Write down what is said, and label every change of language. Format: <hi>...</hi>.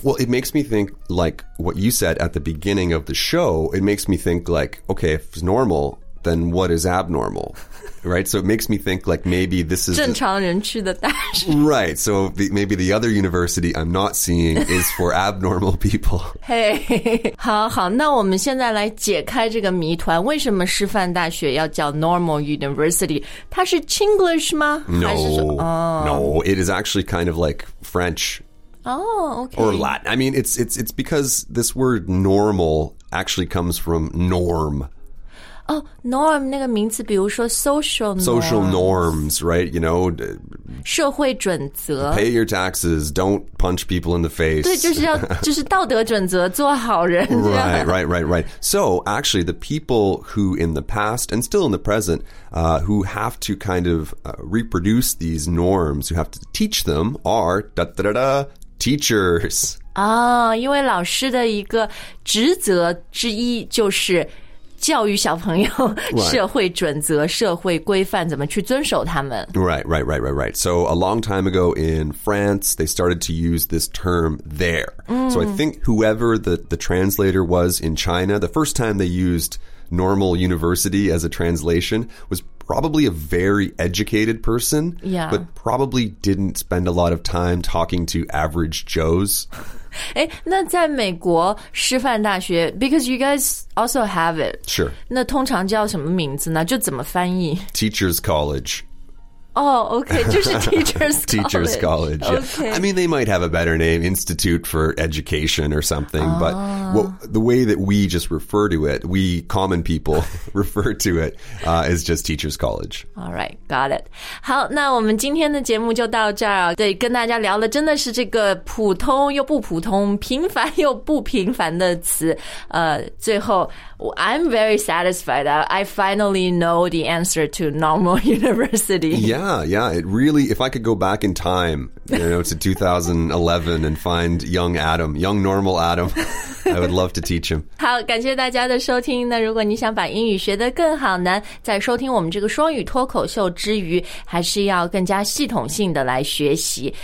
<en>Well, it makes me think like what you said at the beginning of the show It makes me think like, okay, if it's normal then what is abnormal? Right? So it makes me think like maybe this is...</en> <zh>正常人去的大学。</zh> <en>Right. So maybe the other university I'm not seeing is for abnormal people.</en> <zh>Hey, 好好。那我们现在来解开这个谜团。为什么师范大学要叫 normal university? 它是 Chinglish 吗?</zh> <en>No. No, it is actually kind of like French. Oh, okay. Or Latin. I mean, it's because this word normal actually comes from norm.</en> <zh>Oh, norm, 那个名字比如说</zh> <en>social norms. Social norms, right? You know,</en> <zh>社会准则</zh> <en>Pay your taxes, don't punch people in the face.</en> <zh>对,就是道德准则,做好人。</zh> <en>Right. So, actually, the people who in the past and still in the present, who have to kind of reproduce these norms, who have to teach them are, teachers.</en> <zh>啊,因为老师的一个职责之一就是教育小朋友社会准则、</zh> <en>right.</en> <zh>社会规范怎么去遵守他们</zh> <en>Right. So a long time ago in France, they started to use this term there.、So I think whoever the translator was in China, the first time they used normal university as a translation was probably a very educated person,、 yeah. but probably didn't spend a lot of time talking to average Joes.</en> <zh>诶那在美国师范大学</zh> <en>because you guys also have it. Sure.</en> <zh>那通常叫什么名字呢就怎么翻译</zh> <en>Teachers College. Oh, okay.</en> <zh>就是</zh> <en>Teachers College. Teachers College, yeah. Okay. I mean, they might have a better name, Institute for Education or something. Oh. But the way that we just refer to it, we common people refer to it, is just Teachers College. All right. Got it.</en> <zh>好，那我们今天的节目就到这儿。对，跟大家聊的真的是这个普通又不普通，平凡又不平凡的词。</zh> <en>最后 I'm very satisfied that I finally know the answer to normal university. Yeah, it really, if I could go back in time, you know, to 2011 and find young Adam, young normal Adam, I would love to teach him.</en> <zh>好，感谢大家的收听。那如果你想把英语学得更好呢，在收听我们这个双语脱口秀之余，还是要更加系统性的来学习。</zh>